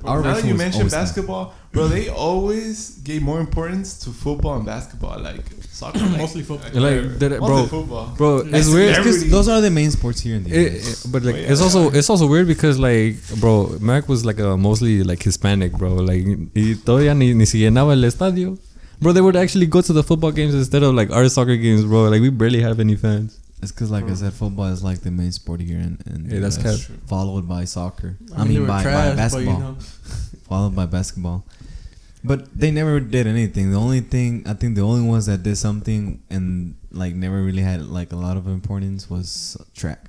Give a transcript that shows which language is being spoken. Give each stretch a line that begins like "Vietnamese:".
English: our restroom. Now that you mentioned basketball, bro, they always gave more importance to football and basketball. Like soccer, like, mostly football. Bro, it's weird because those are the main sports here in the US. But like it's also weird because like bro, Mac was like a mostly like Hispanic, bro.
Spanish: Like y todavía ni se llenaba el estadio.
English: Bro, they would actually go to the football games instead of like our soccer games, bro. Like we barely have any fans. It's because, like bro. I said, football is like the main sport here, and yeah, that's kind of followed by soccer. I mean, by basketball, followed by basketball. But they never did anything. The only ones that did something and like never really had like a lot of importance was track.